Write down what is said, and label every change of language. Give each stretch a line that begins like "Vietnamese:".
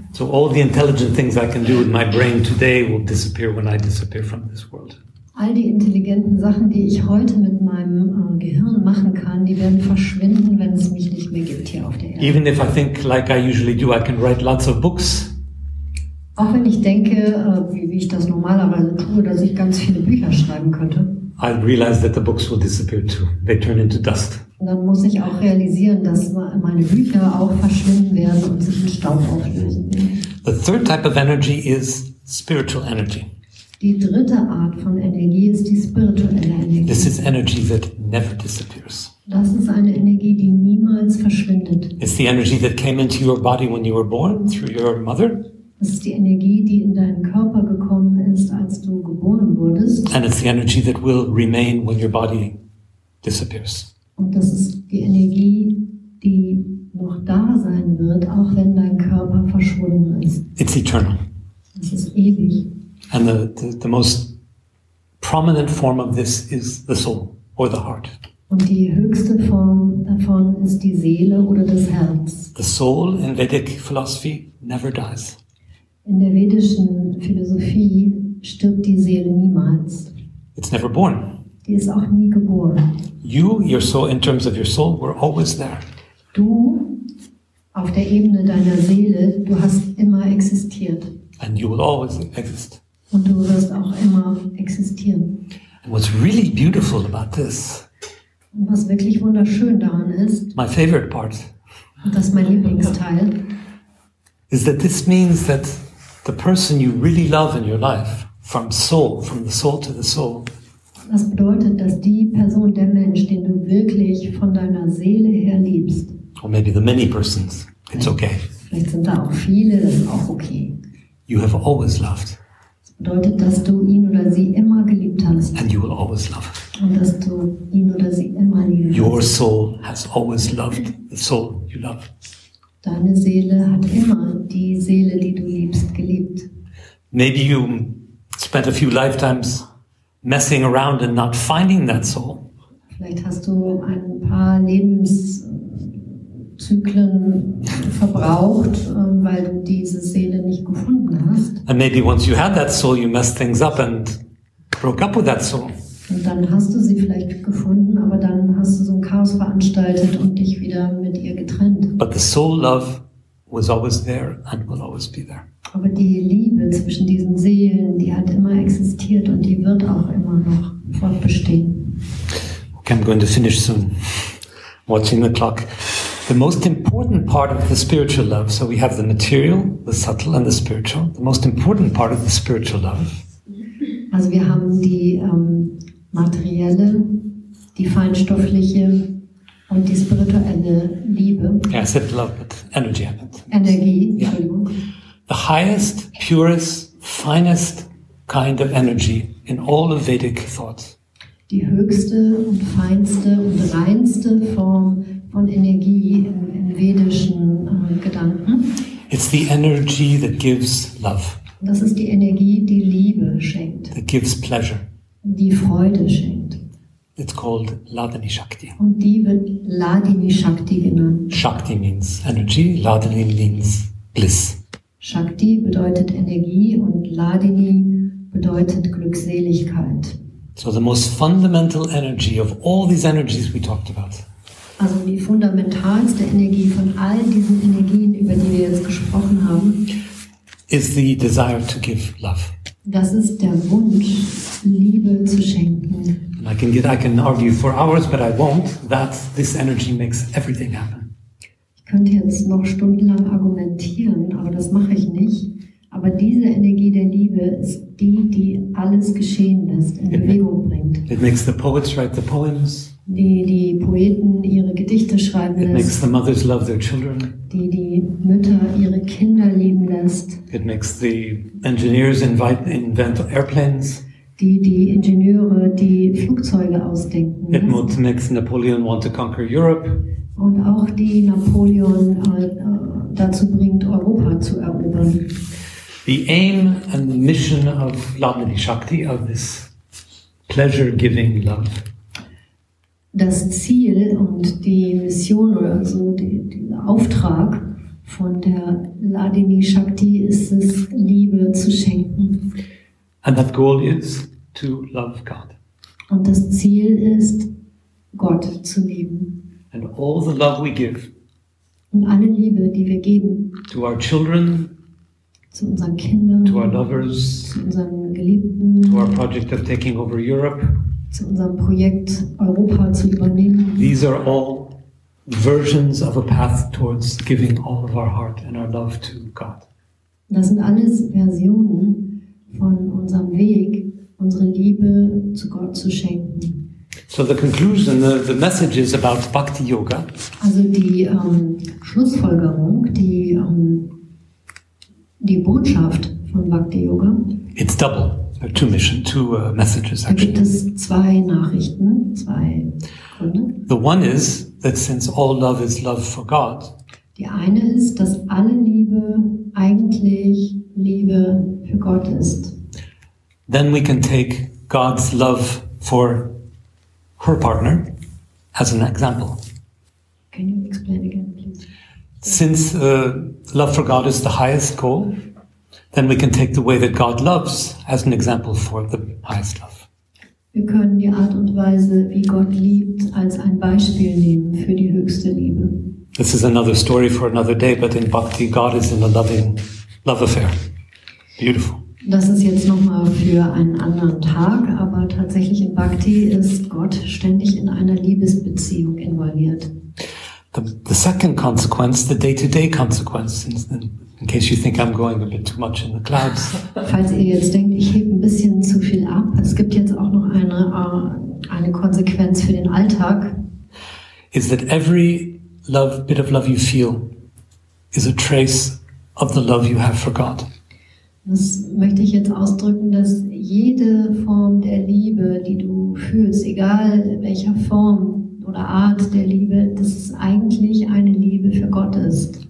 English: So all the intelligent things I can do with my brain today will disappear when I disappear from this world.
German: All die intelligenten Sachen, die ich heute mit meinem Gehirn machen kann, die werden verschwinden, wenn es mich nicht mehr gibt hier auf der Erde.
English: Even if I think like I usually do, I can write lots of books.
German: Auch wenn ich denke, wie ich das normalerweise tue, dass ich ganz viele Bücher schreiben könnte.
English: I realize that the books will disappear too. They turn into dust.
German: Und dann muss ich auch realisieren, dass meine Bücher auch verschwinden werden und sich in Staub auflösen.
English: The third type of energy is spiritual energy.
German: Die dritte Art von Energie ist die spirituelle Energie.
English: This is energy that never disappears.
German: Das ist eine Energie, die niemals verschwindet.
English: It's the energy that came into your body when you were born through your mother.
German: Es ist die Energie, die in deinen Körper gekommen ist, als du geboren wurdest.
English: And it's the energy that will remain when your body disappears.
German: Und das ist die Energie, die noch da sein wird, auch wenn dein Körper verschwunden ist.
English: It's eternal.
German: Es ist ewig.
English: And the most prominent form of this is the soul or the heart.
German: Und die höchste Form davon ist die Seele oder das Herz.
English: The soul in Vedic philosophy never dies.
German: In der vedischen Philosophie stirbt die Seele niemals.
English: It's never born.
German: Die ist auch nie geboren.
English: You, your soul, in terms of your soul, were always there.
German: Du, auf der Ebene deiner Seele, du hast immer existiert.
English: And you will always exist.
German: Und du wirst auch immer existieren.
English: And what's really beautiful about this?
German: Und was wirklich wunderschön daran ist?
English: My favorite part.
German: Das ist mein Lieblingsteil.
English: Is that this means that the person you really love in your life, from soul, from the soul to the soul.
German: Das bedeutet, dass die Person, der Mensch, den du wirklich von deiner Seele her liebst.
English: Or maybe the many persons. It's okay.
German: Vielleicht sind da auch viele. Das ist auch okay.
English: You have always loved.
German: Das bedeutet, dass du ihn oder sie immer geliebt hast.
English: And you will always love.
German: Und dass du ihn oder sie immer liebst.
English: Your soul has always loved the soul you love.
German: Deine Seele hat immer die Seele, die du liebst, geliebt.
English: Maybe you spent a few lifetimes messing around and not finding that soul.
German: Vielleicht hast du ein paar Lebenszyklen verbraucht, weil du diese Seele nicht gefunden hast.
English: And maybe once you had that soul, you messed things up and broke up with that soul.
German: Und dann hast du sie vielleicht gefunden, aber dann hast du so ein Chaos veranstaltet und dich wieder mit ihr getrennt.
English: But the soul love was always there and will always be there.
German: Aber die Liebe zwischen diesen Seelen, die hat immer existiert und die wird auch immer noch fortbestehen.
English: Okay, I'm going to finish soon. Watching the clock. The most important part of the spiritual love, so we have the material, the subtle and the spiritual. The most important part of the spiritual love.
German: Also wir haben die materielle, die feinstoffliche und die spirituelle Liebe.
English: Yeah, I said love, but energy happens.
German: Energie, Entschuldigung.
English: The highest, purest, finest kind of energy in all of Vedic thought.
German: Die höchste und feinste und reinste Form von Energie in vedischen Gedanken.
English: It's the energy that gives love.
German: Das ist die Energie, die Liebe schenkt.
English: That gives pleasure.
German: Die Freude schenkt.
English: It's called Ladini Shakti.
German: Und die wird Ladini Shakti genannt.
English: Shakti means energy, Ladini means bliss.
German: Shakti bedeutet Energie und Ladini bedeutet Glückseligkeit.
English: So the most fundamental energy of all these energies we talked about.
German: Also die fundamentalste Energie von all diesen Energien, über die wir jetzt gesprochen haben,
English: is the desire to give love.
German: Das ist der Wunsch, Liebe zu schenken.
English: And I can argue for hours, but I won't, that this energy makes everything happen.
German: Ich könnte jetzt noch stundenlang argumentieren, aber das mache ich nicht. Aber diese Energie der Liebe ist die, die alles geschehen lässt, in Bewegung bringt.
English: It makes the poets write the poems.
German: Die Poeten ihre Gedichte schreiben lässt.
English: It makes the mothers love their children.
German: Die Mütter ihre Kinder lieben lässt.
English: It makes the engineers invent airplanes.
German: Die Ingenieure die Flugzeuge ausdenken.
English: It makes Napoleon want to conquer Europe.
German: Und auch die Napoleon dazu bringt, Europa zu erobern.
English: The aim and the mission of Ladini Shakti, of this pleasure-giving love.
German: Das Ziel und die Mission oder so, der Auftrag von der Ladini Shakti ist es, Liebe zu schenken.
English: And that goal is to love God.
German: Und das Ziel ist, Gott zu lieben.
English: And all the love we give.
German: Und alle Liebe, die wir geben.
English: To our children.
German: Zu unseren Kindern.
English: To our lovers.
German: Zu unseren Geliebten.
English: To our project of taking over Europe.
German: Zu unserem Projekt Europa zu übernehmen.
English: These are all versions of a path towards giving all of our heart and our love to God.
German: Das sind alles Versionen von unserem Weg, unsere Liebe zu Gott zu schenken.
English: So the conclusion, the message is about Bhakti Yoga.
German: Also die Schlussfolgerung, die Botschaft von Bhakti Yoga.
English: It's double. Two mission, two messages actually.
German: Da gibt es zwei Nachrichten, zwei Gründe.
English: The one is that since all love is love for God.
German: Die eine ist, dass alle Liebe eigentlich Liebe für Gott ist.
English: Then we can take God's love for her partner as an example. Can you explain again, please? Since love for God is the highest goal, then we can take the way that God loves as an example for the highest love.
German: Wir können die Art und Weise, wie Gott liebt, als ein Beispiel nehmen für die höchste Liebe.
English: This is another story for another day, but in Bhakti, God is in a loving love affair. Beautiful.
German: Das ist jetzt nochmal für einen anderen Tag, aber tatsächlich in Bhakti ist Gott ständig in einer Liebesbeziehung involviert.
English: The second consequence, the day-to-day consequence, in case you think I'm going a bit too much in the clouds.
German: Falls ihr jetzt denkt, ich hebe ein bisschen zu viel ab, es gibt jetzt auch noch eine Konsequenz für den Alltag.
English: Is that every love, bit of love you feel is a trace of the love you have for God.
German: Das möchte ich jetzt ausdrücken, dass jede Form der Liebe, die du fühlst, egal welcher Form oder Art der Liebe, das ist eigentlich eine Liebe für Gott ist.